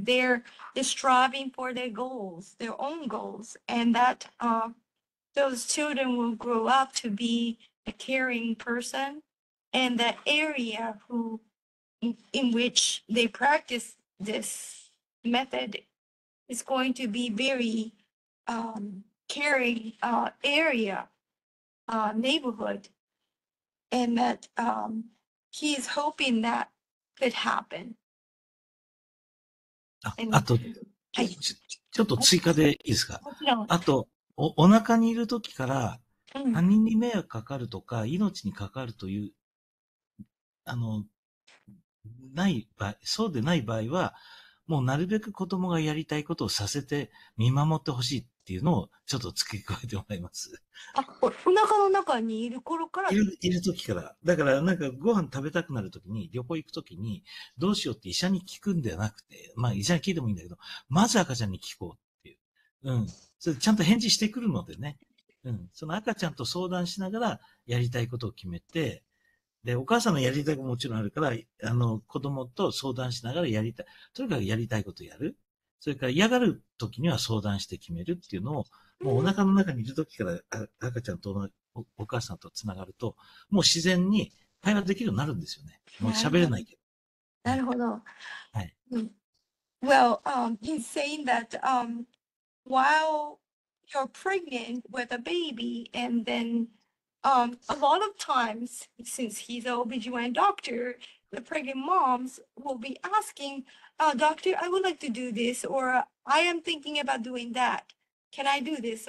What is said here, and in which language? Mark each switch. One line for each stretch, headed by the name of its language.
English: They're striving for their goals, their own goals, and that those children will grow up to be a caring person, and the area in which they practice this method is going to be very caring area, neighborhood, and that he is hoping that could happen.
Japanese: あと、はい、ちょっと追加でいいですか？あと、お腹にいる時から他人に迷惑かかるとか、うん、命にかかるというない場合、そうでない場合はもうなるべく子供がやりたいことをさせて見守ってほしいっていうのをちょっと付け加えてもらいます。お腹の中にいる頃からいる時からだから、なんかご飯食べたくなるときに、旅行行くときにどうしようって医者に聞くんではなくて、まあ医者に聞いてもいいんだけど、まず赤ちゃんに聞こうっていう、うん、それちゃんと返事してくるのでね、うん、その赤ちゃんと相談しながらやりたいことを決めて、で、お母さんのやりたいことももちろんあるから、子供と相談しながらやりたい、とにかくやりたいことをやる。それから嫌がる時には相談して決めるっていうのを、もうお腹の中にいる時から赤ちゃんとお母さんとつながると、もう自然に会話できるようになるんですよね。もう喋れないけど。なるほど。はい。
English: Well, he's saying that, while you're pregnant with a baby and then,a lot of times, since he's an OBGYN doctor, the pregnant moms will be asking, doctor, I would like to do this, or I am thinking about doing that. Can I do this?